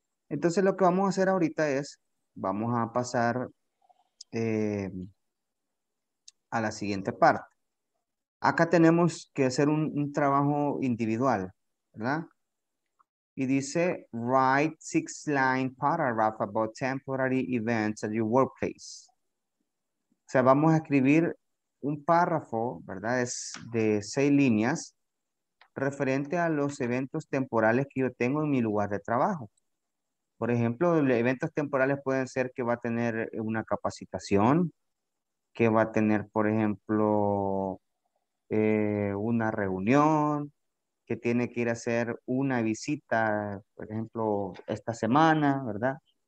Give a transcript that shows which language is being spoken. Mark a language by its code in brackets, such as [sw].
[es] Entonces lo que vamos a hacer ahorita es, vamos a pasar a la siguiente parte. Acá tenemos que hacer un trabajo individual, ¿verdad? Y dice, [en] write 6-line paragraph about temporary events at your workplace. [es] O sea, vamos a escribir un párrafo, ¿verdad? Es de 6 líneas, referente a los eventos temporales que yo tengo en mi lugar de trabajo. Por ejemplo, eventos temporales pueden ser que va a tener una capacitación, que va a tener, por ejemplo, una reunión, que tiene que ir a hacer una visita, por ejemplo, esta semana, ¿verdad?